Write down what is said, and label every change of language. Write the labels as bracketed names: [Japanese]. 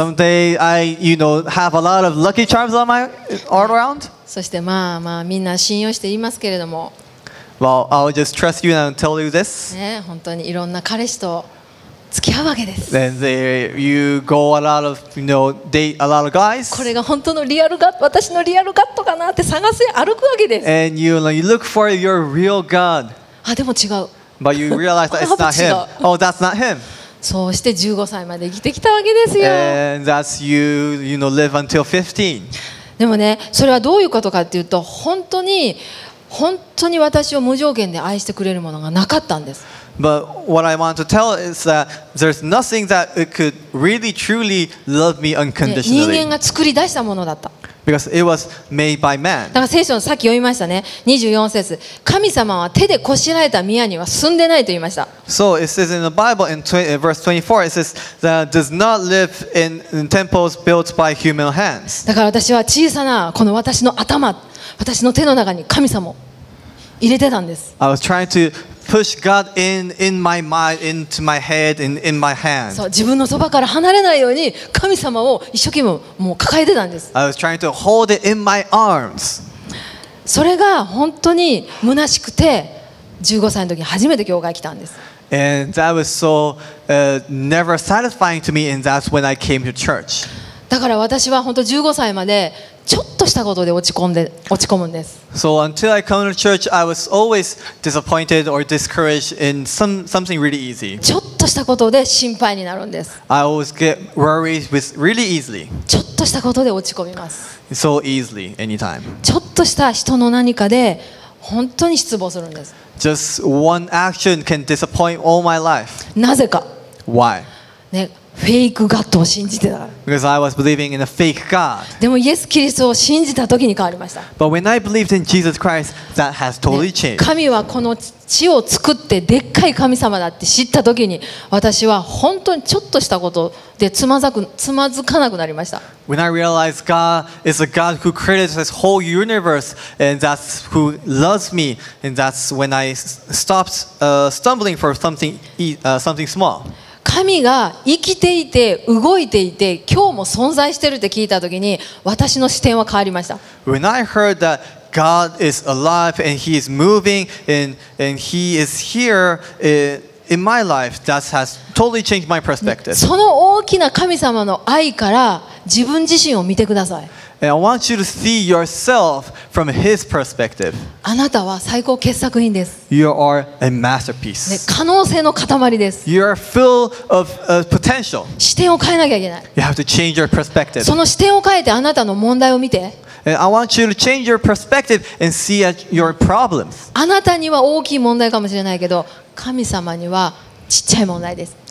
[English] Someday I, you know, have a lot of lucky charms on my all around. [Japanese] そしてまあまあみんな信用していますけれども。 [English] Well, I'll just trust you and tell you this. [Japanese] ね、本当にいろんな彼氏と付き合うわけです。 [English] Then they, you go a lot of, you know, date a lot of guys. [Japanese] これが本当のリアルガ私のリアルガットかなって探す歩くわけです。 [English] And you know, you look for your real God. [Japanese] あ、でも違う。 [English] But you realize that it's not him. Oh, that's not him. [Japanese] そうして15歳まで生きてきたわけですよ。 [English] And that's you, you know, live until 15. [Japanese] でもね、それはどういうことかっていうと、本当に本当に私を無条件で愛してくれるものがなかったんです。 [English] But what I want to tell is that there's nothing that it could really truly love me unconditionally. [Japanese] 人間が作り出したものだった。 [English] Because it was made by man. [Japanese] だから聖書のさっき読みましたね、24節、神様は手でこしらえた宮には住んでないと言いました。 [English] So it says in the Bible in verse 24, it says that does not live in temples built by human hands. [Japanese] だから私は小さなこの私の頭、私の手の中に神様を入れてたんです。 [English] I was trying to push God in my mind, into my head, in my hand. [Japanese] そう、自分のそばから離れないように神様を一生懸命もう抱えてたんです。 [English] I was trying to hold it in my arms. [Japanese] それが本当に虚しくて、15歳の時に初めて教会来たんです。 [English] And that was so never satisfying to me, and that's when I came to church. [Japanese] だから私は本当15歳まで。ちょっとしたことで落ち込むんです。 [English] So until I come to church, I was always disappointed or discouraged in something really easy. [Japanese] ちょっとしたことで心配になるんです。 [English] I always get worried with really easily. [Japanese] ちょっとしたことで落ち込みます。 [English] So easily, anytime. [Japanese] ちょっとした人の何かで本当に失望するんです。 [English] Just one action can disappoint all my life. [Japanese] なぜか。 [English] Why? [Japanese] ね。フェイクガッドを信じてた。 [English] Because I was believing in a fake God. [Japanese] でもイエス・キリストを信じた時に変わりました。 [English] But when I believed in Jesus Christ, that has totally changed. [Japanese] 神はこの地を作ってでっかい神様だって知った時に、私は本当にちょっとしたことでつまずかなくなりました。 [English] When I realized God is a God who created this whole universe and that's who loves me, and that's when I stopped stumbling for something small. [Japanese] 神が生きていて動いていて今日も存在してるって聞いたときに、私の視点は変わりました。 [English] When I heard that God is alive and He is moving and He is here, in my life, that has totally changed my perspective. [Japanese] その大きな神様の愛から自分自身を見てください。 [English] And I want you to see yourself from his perspective. [Japanese] あなたは最高傑作品です。 [English] You are a masterpiece. [Japanese] 可能性の塊です。 [English] You are full of potential. [Japanese] 視点を変えなきゃいけない。 [English] You have to change your perspective. [Japanese] その視点を変えてあなたの問題を見て。 [English] And I want you to change your perspective and see at your problems. [Japanese] あなたには大きい問題かもしれないけど、神様にはちっちゃい問題です。